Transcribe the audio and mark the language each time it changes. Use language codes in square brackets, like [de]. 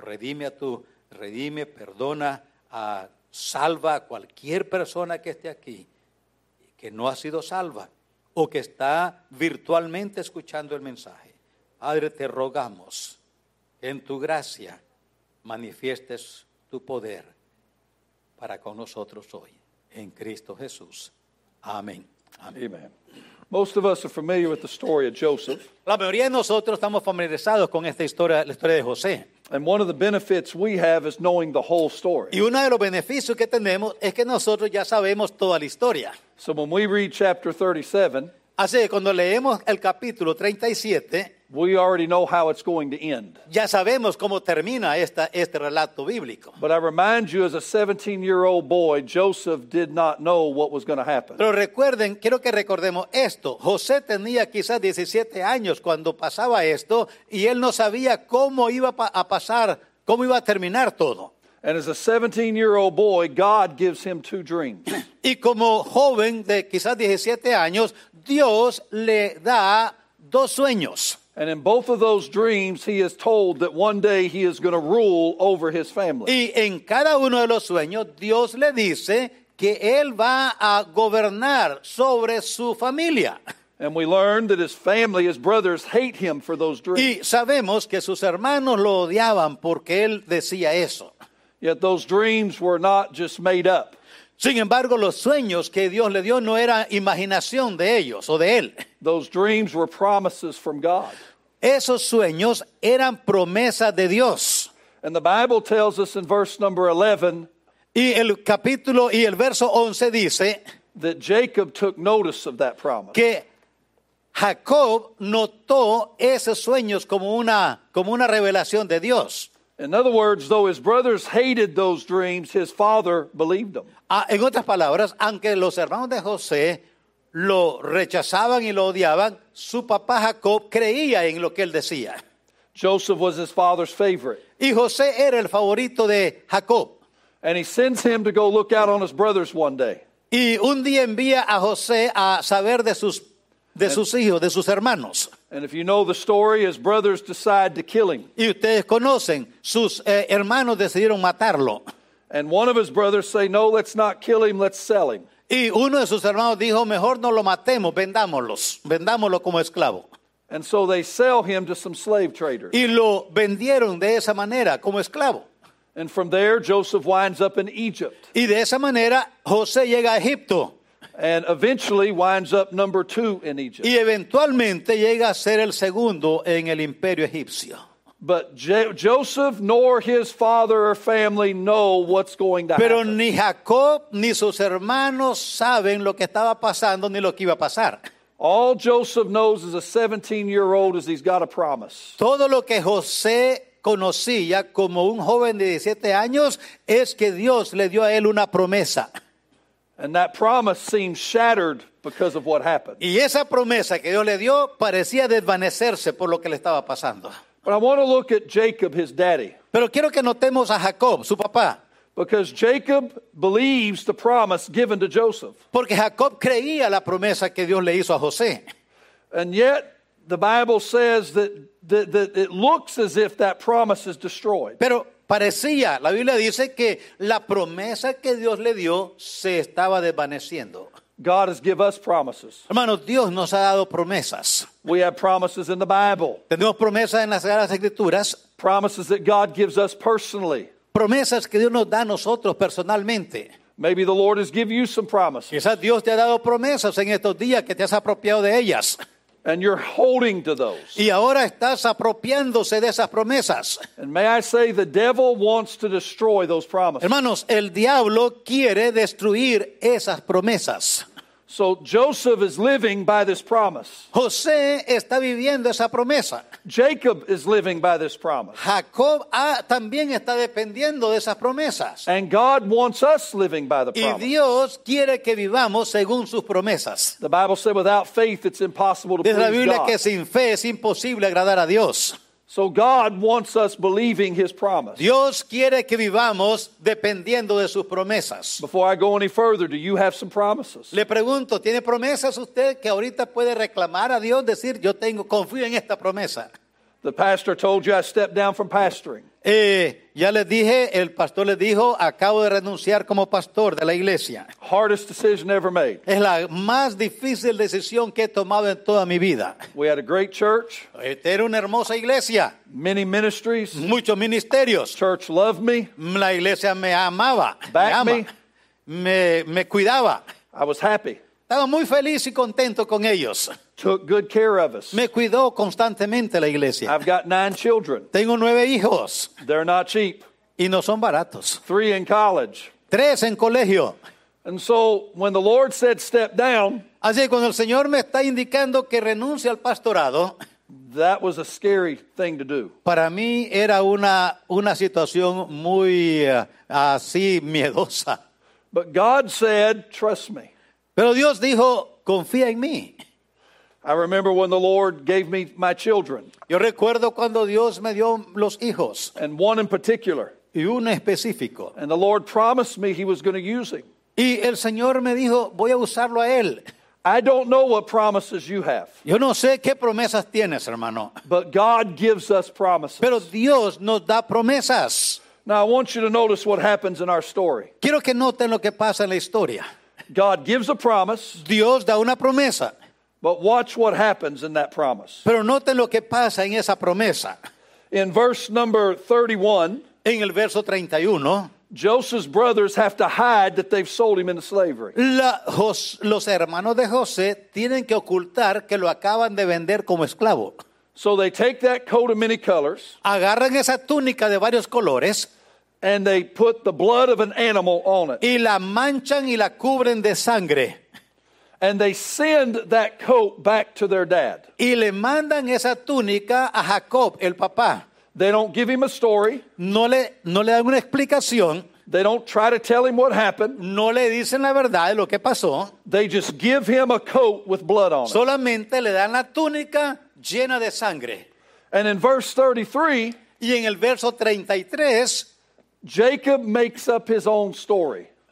[es] Redime, perdona, salva a cualquier persona que esté aquí, que no ha sido salva o que está virtualmente escuchando el mensaje. Padre, te rogamos en tu gracia manifiestes tu poder para con nosotros hoy, en Cristo Jesús. Amén. Amén. Amen. [en] Most of us are familiar with the story of Joseph. [es] La mayoría de nosotros estamos familiarizados con esta historia, la historia de José. [en] And one of the benefits we have is knowing the whole story. [es] Y uno de los beneficios que tenemos es que nosotros ya sabemos toda la historia. [en] So when we read chapter 37, [es] así que cuando leemos el capítulo 37, [en] we already know how it's going to end. [es] Ya sabemos cómo termina este relato bíblico. [en] But I remind you, as a 17-year-old boy, Joseph did not know what was going to happen. [es] Pero recuerden, quiero que recordemos esto. José tenía quizás 17 años cuando pasaba esto, y él no sabía cómo iba a pasar, cómo iba a terminar todo. [en] And as a 17-year-old boy, God gives him two dreams. [es] Y como joven de quizás 17 años, Dios le da dos sueños. [en] And in both of those dreams, he is told that one day he is going to rule over his family. [es] Y en cada uno de los sueños, Dios le dice que él va a gobernar sobre su familia. [en] And we learn that his family, his brothers, hate him for those dreams. [es] Y sabemos que sus hermanos lo odiaban porque él decía eso. [en] Yet those dreams were not just made up. [es] Sin embargo, los sueños que Dios le dio no era imaginación de ellos o de él. [en] Those dreams were promises from God. [es] Esos sueños eran promesas de Dios. [en] And the Bible tells us in verse number 11. [es] Y el capítulo y el verso 11 dice. [en] That Jacob took notice of that promise. [es] Que Jacob notó esos sueños como una revelación de Dios. [en] In other words, though his brothers hated those dreams, his father believed them. [es] En otras palabras, aunque los hermanos de José lo rechazaban y lo odiaban, su papá Jacob creía en lo que él decía. [en] Joseph was his father's favorite. [es] Y José era el favorito de Jacob. [en] And he sends him to go look out on his brothers one day. [es] Y un día envía a José a saber de sus hijos, de sus hermanos. [en] And if you know the story, his brothers decide to kill him. [es] Y ustedes conocen, sus hermanos decidieron matarlo. [en] And one of his brothers say, no, let's not kill him, let's sell him. [es] Y uno de sus hermanos dijo, mejor no lo matemos, vendámoslo como esclavo. [en] And so they sell him to some slave traders. [es] Y lo vendieron de esa manera, como esclavo. [en] And from there, Joseph winds up in Egypt. [es] Y de esa manera, José llega a Egipto. [en] And eventually winds up number two in Egypt. [es] Y eventualmente llega a ser el segundo en el imperio egipcio. [en] But Joseph nor his father or family know what's going to [es] Pero [en] happen. [es] Pero ni Jacob ni sus hermanos saben lo que estaba pasando ni lo que iba a pasar. [en] All Joseph knows as a 17-year-old is he's got a promise. [es] Todo lo que José conocía como un joven de 17 años es que Dios le dio a él una promesa. [en] And that promise seemed shattered because of what happened. [es] Y esa promesa que Dios le dio parecía desvanecerse por lo que le estaba pasando. [en] But I want to look at Jacob, his daddy. [es] Pero quiero que notemos a Jacob, su papá. [en] Because Jacob believes the promise given to Joseph. [es] Porque Jacob creía la promesa que Dios le hizo a José. [en] And yet, the Bible says that it looks as if that promise is destroyed. [es] Pero parecía, la Biblia dice que la promesa que Dios le dio se estaba desvaneciendo. [en] God has given us promises. [es] Hermanos, Dios nos ha dado promesas. [en] We have promises in the Bible. [es] Tenemos promesas en las Sagradas Escrituras. [en] Promises that God gives us personally. [es] Promesas que Dios nos da a nosotros personalmente. [en] Maybe the Lord has given you some promises. [es] Quizás Dios te ha dado promesas en estos días que te has apropiado de ellas. [en] And you're holding to those. [es] Y ahora estás apropiándose de esas promesas. [en] And may I say, the devil wants to destroy those promises. [es] Hermanos, el diablo quiere destruir esas promesas. [en] So Joseph is living by this promise. [es] José está viviendo esa promesa. [en] Jacob is living by this promise. [es] Jacob también está dependiendo de esas promesas. [en] And God wants us living by the promise. [es] Y Dios quiere que vivamos según sus promesas. [en] The Bible says without faith it's impossible to please God. [es] Dice la Biblia que sin fe es imposible agradar a Dios. [en] So God wants us believing his promise. [es] Dios quiere que vivamos dependiendo de sus promesas. [en] Before I go any further, do you have some promises? [es] Le pregunto, ¿tiene promesas usted que ahorita puede reclamar a Dios, decir, yo tengo, confío en esta promesa? [en] The pastor told you I stepped down from pastoring. [es] Ya les dije, el pastor les dijo, acabo de renunciar como pastor de la iglesia. [en] Hardest decision ever made. [es] Es la más difícil decisión que he tomado en toda mi vida. [en] We had a great church. [es] Era una hermosa iglesia. [en] Many ministries. [es] Muchos ministerios. [en] Church loved me. [es] La iglesia me amaba. [en] Back me. [es] Me cuidaba. [en] I was happy. [es] Estaba muy feliz y contento con ellos. [en] Took good care of us. [es] Me cuidó constantemente la iglesia. [en] I've got 9 children. [es] Tengo 9 hijos. [en] They're not cheap. [es] Y no son baratos. [en] 3 in college. [es] 3 en colegio. [en] And so when the Lord said step down. [es] Así cuando el Señor me está indicando que renuncie al pastorado. [en] That was a scary thing to do. [es] Para mí era una situación muy así miedosa. [en] But God said, trust me. [es] Pero Dios dijo, confía en mí. [en] I remember when the Lord gave me my children. [es] Yo recuerdo cuando Dios me dio los hijos. [en] And one in particular. [es] Y uno específico. [en] And the Lord promised me he was going to use him. [es] Y el Señor me dijo, voy a usarlo a él. [en] I don't know what promises you have. [es] Yo no sé qué promesas tienes, hermano. [en] But God gives us promises. [es] Pero Dios nos da promesas. [en] Now I want you to notice what happens in our story. [es] Quiero que noten lo que pasa en la historia. [en] God gives a promise. [es] Dios da una promesa. [en] But watch what happens in that promise. [es] Pero noten lo que pasa en esa promesa. [en] In verse number 31, [es] en el verso 31, [en] Joseph's brothers have to hide that they've sold him into slavery. [es] Los hermanos de José tienen que ocultar que lo acaban de vender como esclavo. [en] So they take that coat of many colors. [es] Agarran esa túnica de varios colores. [en] And they put the blood of an animal on it. [es] Y la manchan y la cubren de sangre. [en] And they send that coat back to their dad. [es] Y le mandan esa túnica a Jacob, el papá. [en] They don't give him a story. [es] No le dan una explicación. [en] They don't try to tell him what happened. [es] No le dicen la verdad de lo que pasó. [en] They just give him a coat with blood on [es] Solamente [en] it. [es] Solamente le dan la túnica llena de sangre. [en] And in verse 33. [es] Y en el verso 33. [en] Jacob makes up his own story.